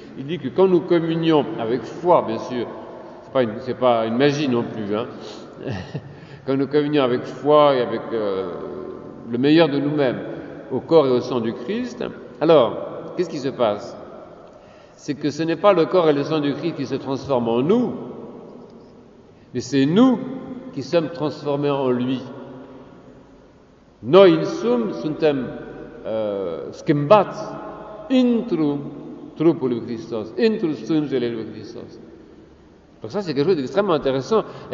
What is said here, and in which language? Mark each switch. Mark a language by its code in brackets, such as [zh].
[fr] Il dit que quand nous communions avec foi, bien sûr, c'est pas une magie non plus, hein, quand nous communions avec foi et avec le meilleur de nous-mêmes au corps et au sang du Christ, alors, qu'est-ce qui se passe? C'est que ce n'est pas le corps et le sang du Christ qui se transforment en nous, mais c'est nous qui sommes transformés en lui. [ro] Noi insum suntem schimbați intru trupul lui Hristos, intru sângele lui Hristos. [fr] Donc ça, c'est quelque chose d'extrêmement intéressant.